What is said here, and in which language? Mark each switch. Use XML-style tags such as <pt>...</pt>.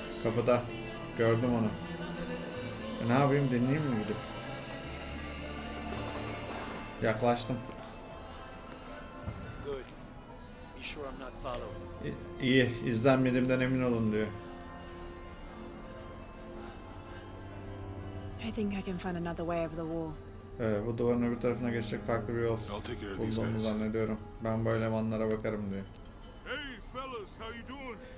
<tr>Kapıda. Gördüm onu. Ne yapayım, dinleyeyim mi gidip? Yaklaştım. İyi, izlenmediğimden emin olun diyor.</tr> <en>I think I can find another way over the wall.</en> <tr>Bu duvarın öbür tarafına geçecek farklı bir yol bulduğumu zannediyorum. Ben bu elemanlara bakarım diyor.</tr> <en>Hey fellas, how you doing?</en>